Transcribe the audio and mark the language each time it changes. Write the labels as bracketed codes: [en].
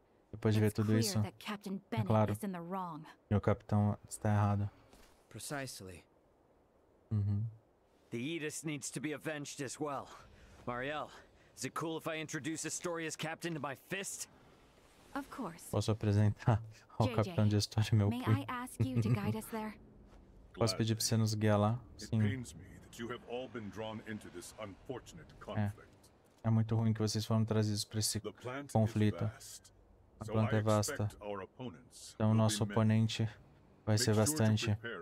[pt] Depois de ver tudo isso, é claro que o capitão está errado. [en] The Edis needs to be avenged as well. Marielle, is it cool if I introduce Astoria's captain to my fist? Of course. [pt] Posso apresentar ao capitão de Astoria meu punho? [en] May I ask you to guide us there? [pt] Posso pedir para você nos guiar lá? Sim. [en] It pains me that you have all been drawn into this unfortunate conflict. [pt] É muito ruim que vocês foram trazidos para esse conflito. A planta é vasta, então o nosso oponente vai ser bastante.